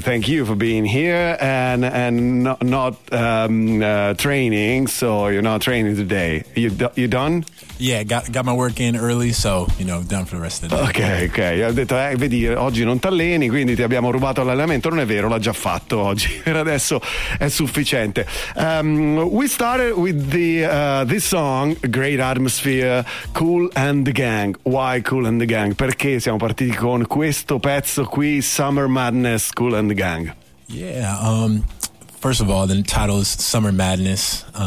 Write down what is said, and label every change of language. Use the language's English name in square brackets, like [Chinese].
[English] Thank you for being here and not training. So you're not training today. You done? Yeah, got my work in early, so you know, done for the rest of the day. Okay. [Italian] Ho detto, vedi, oggi non t'alleni, quindi ti abbiamo rubato l'allenamento. Non è vero, l'ha già fatto oggi. Per adesso è sufficiente. [English] We started with this song, Great Atmosphere, Cool and the Gang. Why Cool and the Gang? [Italian] Perché siamo partiti con questo pezzo qui, Summer Madness, Cool and the Gang? [English] Yeah, first of all, the title is Summer Madness.